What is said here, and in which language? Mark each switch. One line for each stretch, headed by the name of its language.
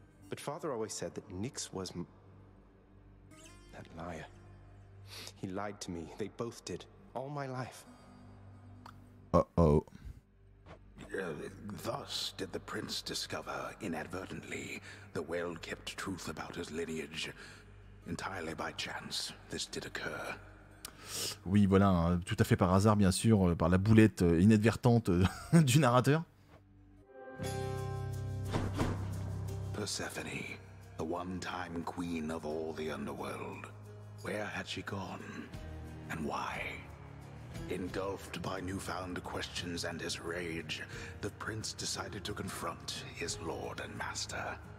English: But father always said that Nyx was that liar. He lied to me. They both did. All my life. Uh-oh. Thus did the prince discover, inadvertently, the well-kept truth about his lineage. Entirely by chance, this did occur.
French: Oui, voilà, tout à fait par hasard, bien sûr, par la boulette inadvertante du narrateur.
English: Persephone, the one-time queen of all the underworld. Where had she gone? And why? Engulfed by newfound questions and his rage, the prince decided to confront his lord and master.